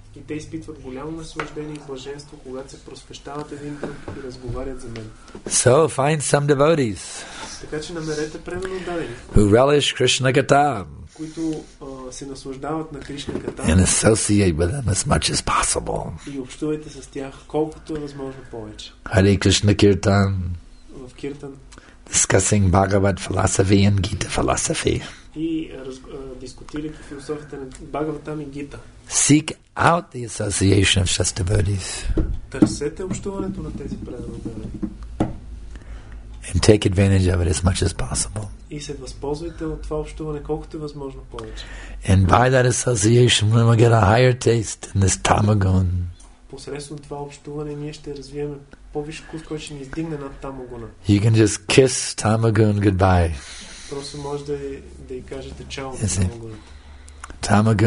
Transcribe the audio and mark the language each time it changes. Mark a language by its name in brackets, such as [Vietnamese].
[Bulgarian] И те изпитват голямо наслаждение и блаженство, когато се просвещават един друг и разговарят за мен. [English] So find some devotees. [Bulgarian] Така че намерете преданно дадени. [English] Who relish Krishna Gata. [Bulgarian] Които се наслаждават на Кришна Гата. [English] And associate with them as much as possible. [Bulgarian] И общувайте с тях колкото е възможно повече. [English] Hare Krishna Kirtan. [Bulgarian] В Киртан. [English] Discussing Bhagavad philosophy and Gita philosophy. [Bulgarian] И дискутирайки философията на Бхагаватам и Гита. [English] Seek out the association of such devotees. [Bulgarian] Търсете общуването на тези преданодари. [English] And take advantage of it as much as possible. [Bulgarian] И се възползвайте от това общуване колкото е възможно повече. [English] And by that association, we will get a higher taste in this tamagun. [Bulgarian] Посредством това общуване ние ще развием по-виш вкус, който ще ни издигне над тамагуна. [English] You can just kiss tamagun goodbye. [Bulgarian] Просто може да й кажете чао на тамагуната.